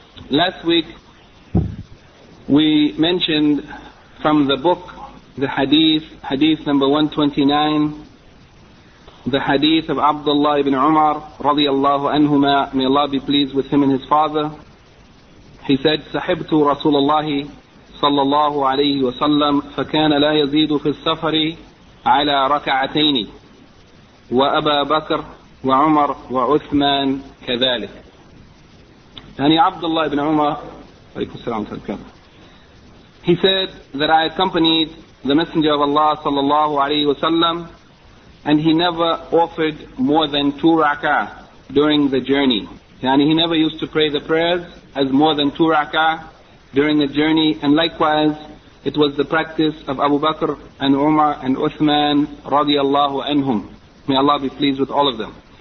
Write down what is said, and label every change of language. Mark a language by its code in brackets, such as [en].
[en] Last week, we mentioned from the book, the hadith number 129, the hadith of Abdullah ibn Umar, radiallahu anhuma, may Allah be pleased with him and his father. He said, [ar] Sahibtu Rasulullahi صلى الله عليه وسلم فكان لا يزيد في السفر على ركعتين وأبا بكر وعمر وعثمان كذلك. يعني عبد الله بن عمر عليه السلام. [en] He said that I accompanied the Messenger of Allah صلى الله عليه وسلم, and he never offered more than two rak'ah during the journey. يعني he never used to pray the prayers as more than two rak'ah during the journey, and likewise it was the practice of Abu Bakr and Umar and Uthman radiallahu anhum, may Allah be pleased with all of them.